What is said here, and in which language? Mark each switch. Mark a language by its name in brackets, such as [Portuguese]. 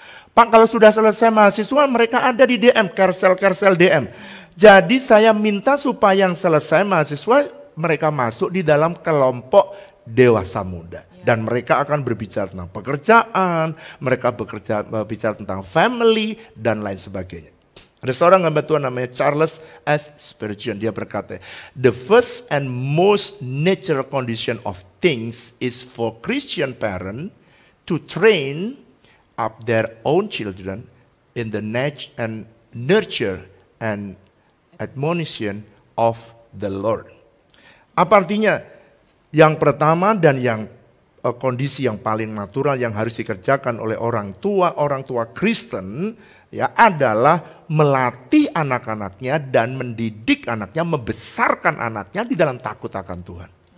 [Indonesian] Pak, kalau sudah selesai mahasiswa, mereka ada di DM, karsel-karsel DM. Jadi saya minta supaya yang selesai mahasiswa, mereka masuk di dalam kelompok dewasa muda. Dan mereka akan berbicara tentang pekerjaan, mereka berbicara tentang family, dan lain sebagainya. Ada seorang hamba Tuhan namanya Charles S. [English] Spurgeon, [Indonesian] dia berkata, [English] "The first and most natural condition of things is for Christian parent to train up their own children in the nurture and admonition of the Lord." [Indonesian] Apa artinya? Yang pertama dan yang kondisi yang paling natural yang harus dikerjakan oleh orang tua Kristen ya adalah melatih anak-anaknya dan mendidik anaknya, membesarkan anaknya di dalam takut akan Tuhan.